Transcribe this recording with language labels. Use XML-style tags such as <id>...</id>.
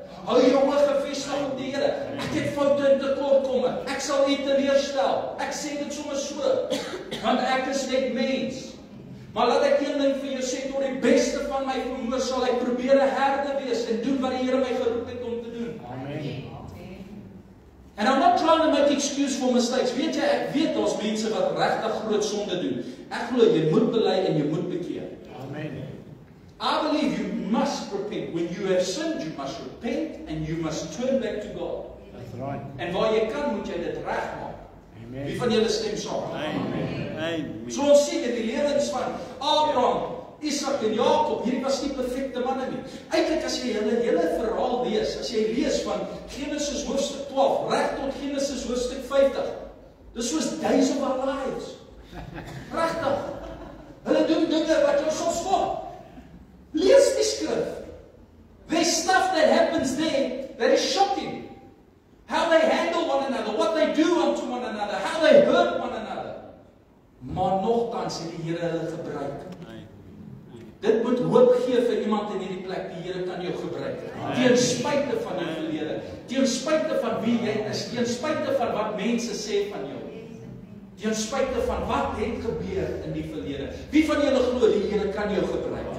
<af>Hou jou oë gevestig op die Here. Ek het foute en tekortkomme. Ek sal u teleurstel. Ek sê dit sommer so, want ek is net mens. Maar laat ek een ding vir jou sê, tot die beste van my vermoë sal ek probeer 'n herder wees en doen wat die Here my geroep het om te doen. Amen.</af> <en>And I'm not trying to make excuse for mistakes.</en> <af>Weet jy, ek weet daar's mense wat regtig groot sonde doen. Ek glo jy moet bely en jy moet bekeer. Amen.</af> <en>I believe you must repent. When you have sinned, you must repent and you must turn back to God. That's right.</en> <af>En waar jy kan, moet jy dit regmaak. Amen. Wie van julle stem saam? Amen. So ons sien dat die lewens van Abraham, Isak en Jakob, hierdie was nie perfekte manne nie. Eintlik as jy hulle hele verhaal lees, as jy lees van Genesis hoofstuk 12 reg tot Genesis hoofstuk 50, dis soos duisende lives. Regtig. Hulle doen dinge wat jou sal skok. Lees die skrif.</af> <en>There's stuff that happens there that is shocking. How they handle one another, what they do unto one another, how they hurt one another.</en> <af>Maar nogtans het die Here hulle gebruik. Dit moet hoop gee vir iemand in hierdie plek, die Here kan jou gebruik. Ten spyte van jou verlede, ten spyte van wie jy is, ten spyte van wat mense sê van jou. Ten spyte van wat het gebeur in die verlede. Wie van julle glo die Here kan jou gebruik?</af>